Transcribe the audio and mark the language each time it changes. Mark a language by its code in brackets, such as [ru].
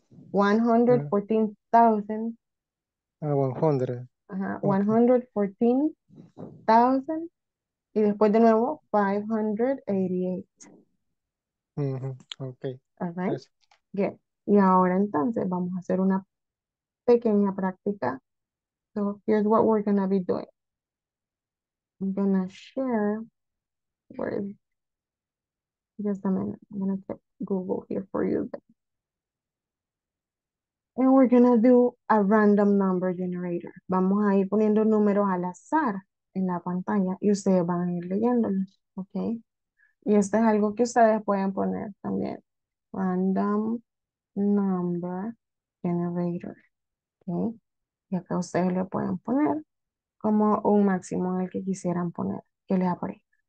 [es] 114,000. 114,000. Y después de nuevo, 588. [en] Okay. Good. [es] Y ahora entonces vamos a hacer una pequeña práctica. [en] So here's what we're going to be doing. I'm going to share. Where is it? Just a minute. I'm going to check Google here for you. And we're going to do a random number generator. [es] Vamos a ir poniendo números al azar en la pantalla y ustedes van a ir leyéndolos, ¿ok? Y esto es algo que ustedes pueden poner también, random number generator, ¿ok? Y acá ustedes le pueden poner como un máximo en el que quisieran poner, que les aparezca.